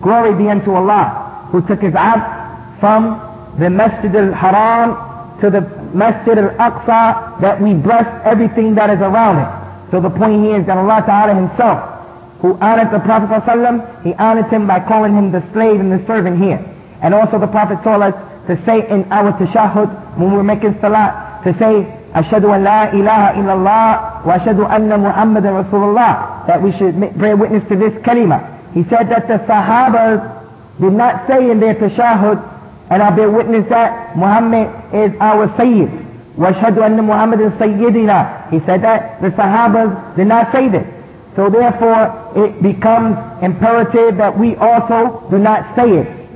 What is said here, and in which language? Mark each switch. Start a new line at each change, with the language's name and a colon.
English: Glory be unto Allah who took his abd from the Masjid al-Haram to the Masjid al-Aqsa, that we bless everything that is around it. So the point here is that Allah Ta'ala himself, who honored the Prophet ﷺ, he honored him by calling him the slave and the servant here. And also the Prophet told us to say in our tashahud, when we're making salat, to say,
Arabic: أشهد أن لا إله إلا الله وأشهد أن محمد رسول الله,
English: that we should bear witness to this kalima. He said that the Sahaba did not say in their tashahud, and I bear witness that Muhammad is our Sayyid.
Arabic: وَأَشْهَدُ أَنَّ مُحَمَّدٍ سَيِّدِنَا.
English: He said that the Sahabas did not say this. So therefore, it becomes imperative that we also do not say it.